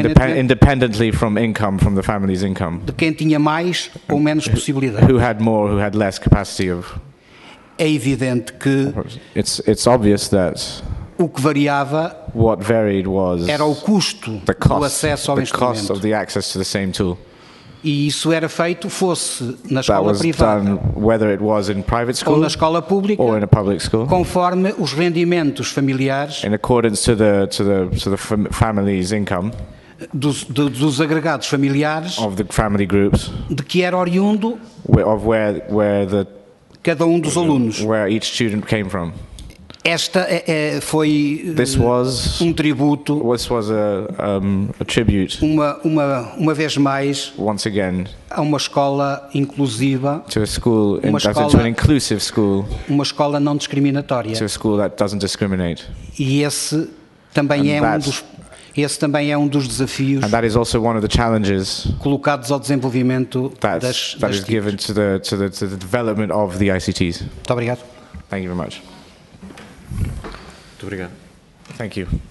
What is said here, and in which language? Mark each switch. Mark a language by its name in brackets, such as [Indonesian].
[English] independently from income from the family's income [Portuguese] de quem tinha mais ou menos possibilidade [English] who had more who had less capacity of [Portuguese] é evidente que [English] it's obvious that [Portuguese] o que variava [English] what varied was [Portuguese] era o custo [English] the cost, [Portuguese] do acesso ao [English] the [Portuguese] instrumento [English] cost of the access to the same tool [Portuguese] e isso era feito fosse na escola privada [English] that was done whether it was in private school [Portuguese] ou na escola pública [English] or in a public school [Portuguese] conforme os rendimentos familiares [English] in accordance to the family's income [Portuguese] dos agregados familiares [English] of the family groups [Portuguese] de que era oriundo [English] of where the [Portuguese] cada um dos alunos [English] where each student came from [Portuguese] esta foi [English] this was, [Portuguese] um tributo [English] this was a tribute [Portuguese] uma vez mais [English] once again [Portuguese] a uma escola inclusiva [English] to a school to an inclusive school [Portuguese] uma escola não discriminatória [English] to a school that doesn't discriminate [Portuguese] e esse também [English] and [Portuguese] é um dos esse também é um dos desafios [English] and that is also one of the challenges [Portuguese] colocados ao desenvolvimento das [English] that is given to the development of the ICTs [Portuguese] muito obrigado thank you very much muito obrigado. [English] Thank you.